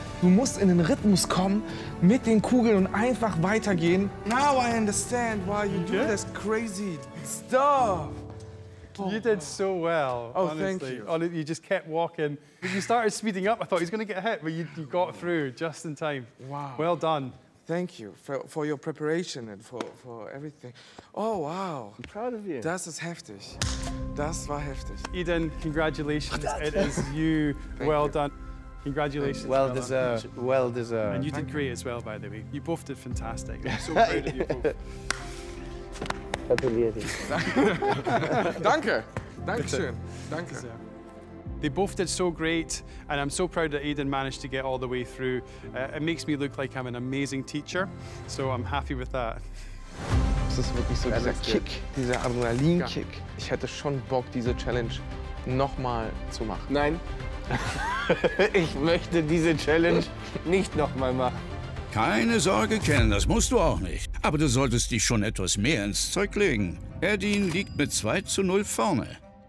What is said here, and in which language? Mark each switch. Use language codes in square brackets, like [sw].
[de] Du musst in den Rhythmus kommen mit den Kugeln und einfach weitergehen. [en] Now I understand why you do this crazy stuff. You did so well. Oh, honestly. Thank you. You just kept walking. When you started speeding up, I thought he was going to get hit, but you got through just in time. Wow. Well done. Thank you for your preparation and for everything. Oh, wow. I'm proud of you. [de] Das ist heftig. Das war heftig. [en] Edin, congratulations. It is you. Well done. Congratulations. Well deserved. Well deserved. And you did great as well, by the way. You both did fantastic. I'm so proud of you both. [de] Gratuliere dich. Danke. Dankeschön. Danke. [en] They both did so great, and I'm so proud that Edin managed to get all the way through. It makes me look like I'm an amazing teacher, so I'm happy with that. [de] Es ist wirklich so dieser Kick, dieser Adrenalinkick. Ich hätte schon Bock, diese Challenge nochmal zu machen. Nein, ich möchte diese Challenge nicht nochmal machen. Keine Sorge, Ken, das musst du auch nicht. Aber du solltest dich schon etwas mehr ins Zeug legen. Edin liegt mit 2-0 vorne.